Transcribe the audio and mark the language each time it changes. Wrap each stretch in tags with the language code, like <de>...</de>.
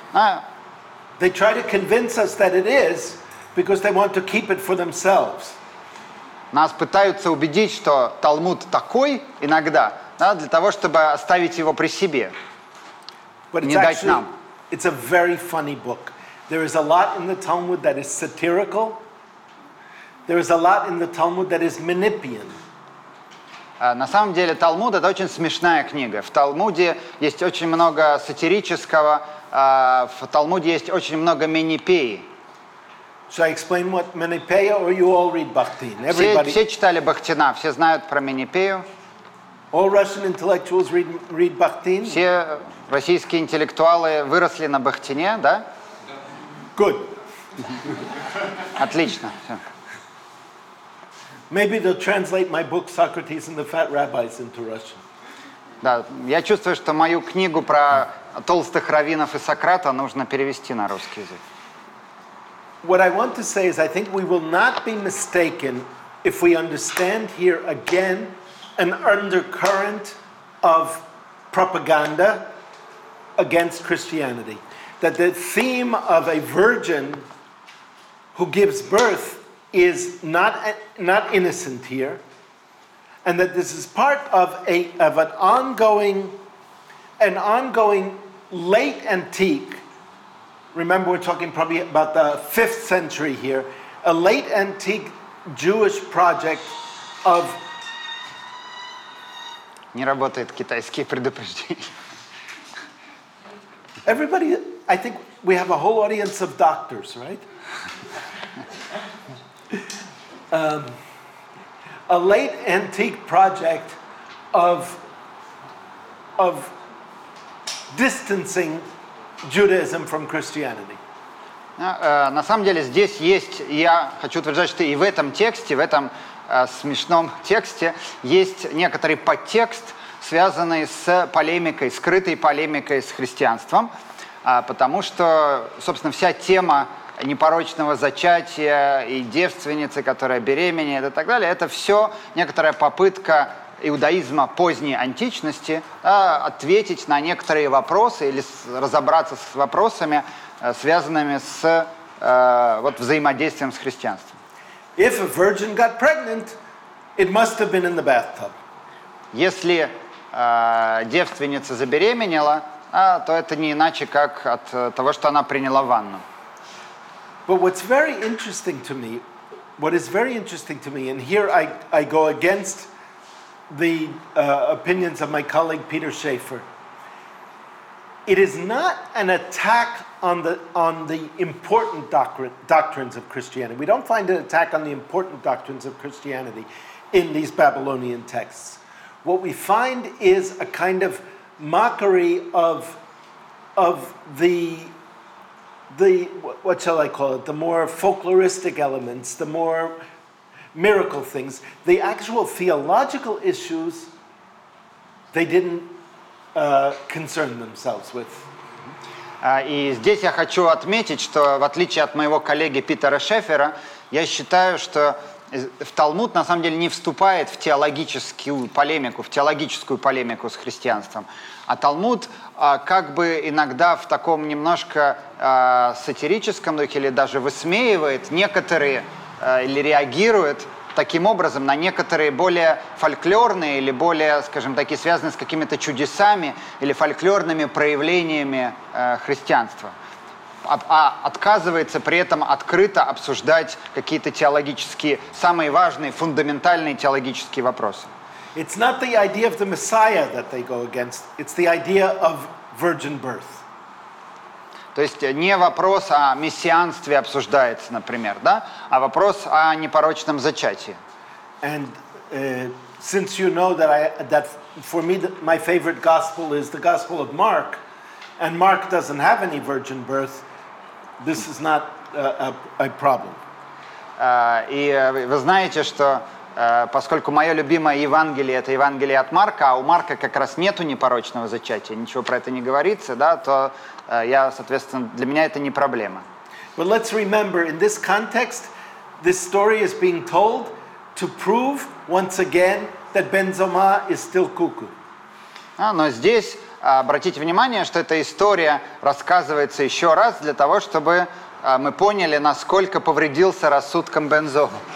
<en>They try to convince us that it is, because they want to keep it for themselves.</en> <ru>Нас пытаются убедить, что Талмуд такой иногда, для того, чтобы оставить его при себе, не дать нам.</ru> <en>It's a very funny book. There is a lot in the Talmud that is satirical. There is a lot in the Talmud that is manipian.</en> <ru>На самом деле, Талмуд — это очень смешная книга. В Талмуде есть очень много сатирического, в Талмуде есть очень много манипеи.</ru> <en>Should I explain what manipeia, or you all read Бахтин?</en> <ru>Все читали Бахтина, все знают про манипею.</ru> <en>All Russian intellectuals read Бахтин?</en> <ru>Все российские интеллектуалы выросли на Бахтине, да?</ru> <en>Good.</en> <ru>Отлично.</ru> <en>Maybe they'll translate my book Socrates and the Fat Rabbis into Russian.</en> <ru>Да, я чувствую, что мою книгу про толстых раввинов и Сократа нужно перевести на русский язык.</ru> <en>What I want to say is I think we will not be mistaken if we understand here again an undercurrent of propaganda against Christianity. That the theme of a virgin who gives birth is not innocent here, and that this is part of an ongoing late antique, remember we're talking probably about the 5th century here, a late antique Jewish project of...</en> <ru>Не работает китайские предупреждения.</ru> <en>Everybody, I think we have a whole audience of doctors, right? A late antique project of distancing Judaism from Christianity.</en> <ru>На самом деле здесь есть, я хочу утверждать, что и в этом тексте, в этом смешном тексте, есть некоторый подтекст, связанный с полемикой, скрытой полемикой с христианством, потому что, собственно, вся тема непорочного зачатия и девственницы, которая беременеет и так далее, это все некоторая попытка иудаизма поздней античности ответить на некоторые вопросы или разобраться с вопросами, связанными с вот, взаимодействием с христианством.</ru> <en>If a virgin got pregnant, it must have been in the bathtub.</en> <ru>Если девственница забеременела, то это не иначе, как от того, что она приняла ванну.</ru> <en>But what's very interesting to me, and here I go against the opinions of my colleague Peter Schaefer. It is not an attack on the important doctrines of Christianity. We don't find an attack on the important doctrines of Christianity in these Babylonian texts. What we find is a kind of mockery of the what shall I call it, the more folkloristic elements, the more miracle things. The actual theological issues, they didn't concern themselves with.</en> <ru>И здесь я хочу отметить, что в отличие от моего коллеги Питера Шефера, я считаю, что в Талмуд на самом деле не вступает в теологическую полемику, в теологическую полемику с христианством. А Талмуд как бы иногда в таком немножко сатирическом духе или даже высмеивает некоторые или реагирует таким образом на некоторые более фольклорные или более, скажем так, связанные с какими-то чудесами или фольклорными проявлениями христианства. А отказывается при этом открыто обсуждать какие-то теологические, самые важные, фундаментальные теологические вопросы.</ru> <en>It's not the idea of the Messiah that they go against, it's the idea of virgin birth.</en> <ru>То есть не вопрос о мессианстве обсуждается, например, да, а вопрос о непорочном зачатии.</ru> <en>And since you know that for me my favorite gospel is the gospel of Mark, and Mark doesn't have any virgin birth, this is not a problem.</en> <ru>И вы знаете, что поскольку мое любимое Евангелие – это Евангелие от Марка, а у Марка как раз нету непорочного зачатия, ничего про это не говорится, да, то я, соответственно, для меня это не проблема.</ru> <en>But let's remember, in this context, this story is being told to prove once again that Бензома is still cuckoo.</en> <ru>Но здесь обратите внимание, что эта история рассказывается еще раз для того, чтобы мы поняли, насколько повредился рассудком Бензома.</ru>